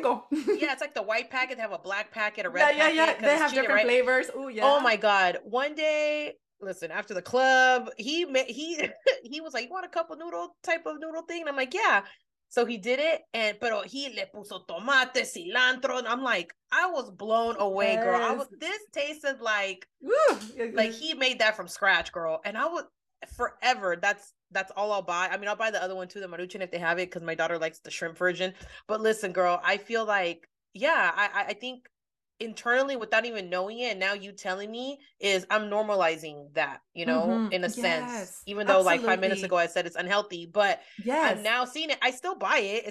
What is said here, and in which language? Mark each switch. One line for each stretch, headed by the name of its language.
English: Yeah, it's like the white packet. They have a black packet, a red packet. Yeah. They have different flavors. Oh, yeah. Oh, my God. One day, listen, after the club, he was like, you want a cup of noodle type of noodle thing? And I'm like, yeah. So he did it.
Spanish: And pero he le puso tomate, cilantro.
English: And I'm like, I was blown away, girl. This tasted like, like he made that from scratch, girl. And I was forever. That's all I'll buy. I mean, I'll buy the other one too, the maruchan, if they have it, because my daughter likes the shrimp version. But listen, girl, I feel like, yeah, I think internally, without even knowing it, now you telling me, is I'm normalizing that, you know, in a sense, even though like 5 minutes ago I said it's unhealthy, but I'm now seeing it. I still buy it.